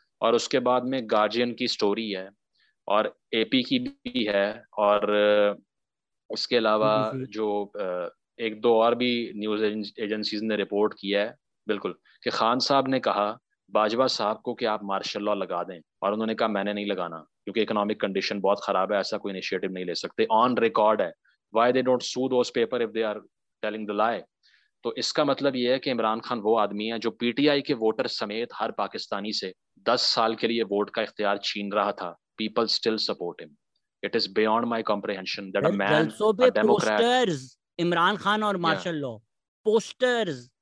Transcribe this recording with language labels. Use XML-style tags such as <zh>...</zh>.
<ur>اور اس کے بعد میں گارجین کی سٹوری ہے اور اے پی کی بھی ہے, اور اس کے علاوہ جو ایک دو اور بھی نیوز ایجنسیز نے رپورٹ کیا ہے, بالکل, کہ خان صاحب نے کہا باجوہ صاحب کو کہ آپ مارشل لا لگا دیں, اور انہوں نے کہا میں نے نہیں لگانا کیونکہ اکنامک کنڈیشن بہت خراب ہے, ایسا کوئی انیشیٹو نہیں لے سکتے, آن ریکارڈ ہے.</ur> <en>Why they don't show those paper of they are telling the lie.</en> <ur>تو اس کا مطلب یہ ہے کہ عمران خان وہ آدمی ہے جو پی ٹی آئی کے ووٹر سمیت ہر پاکستانی سے 10 سال کے لیے ووٹ کا اختیار چھین رہا تھا.</ur> <en>People still support him. It is beyond my comprehension that a man democrats</en> <ur>Imran Khan اور مارشل لا پوسٹرز,</ur>